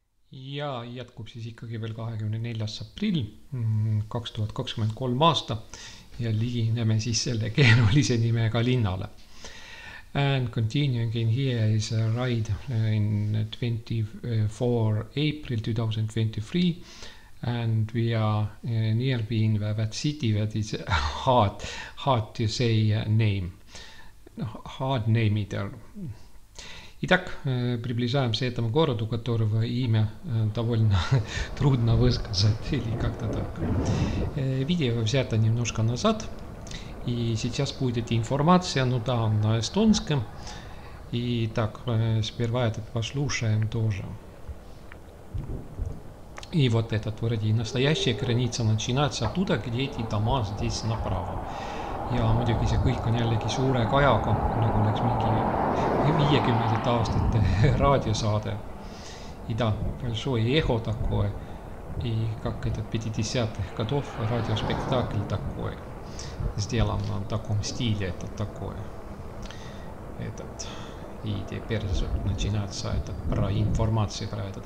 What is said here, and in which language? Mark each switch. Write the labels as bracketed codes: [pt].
[et] ja jätkub siis ikkagi veel 24. aprill 2023 aasta ja ligineme siis selle keerulise nimega linnale. [en] And continuing in here is a ride in 24 April 2023, and we are near being that city that is hard to say name. Hard name it all. [ru] Итак, приближаем к этому городу, которого имя довольно трудно высказать, или как-то так. Видео взято немножко назад, и сейчас будет информация, ну да, на эстонском. И так, сперва этот послушаем тоже. И вот этот, вроде, настоящая граница начинается оттуда, где эти дома здесь направо. [et] Ja muidugi see kõik on jällegi suure kajaga, nagu oleks mingi 50 aastate raadiosaade. [ru] Ida, большое эхо такое. И как этот 50-х годов радиоспектакль такой. Сделан на таком стиле, это такое. Этот. И теперь начинается этот про информацию, про этот.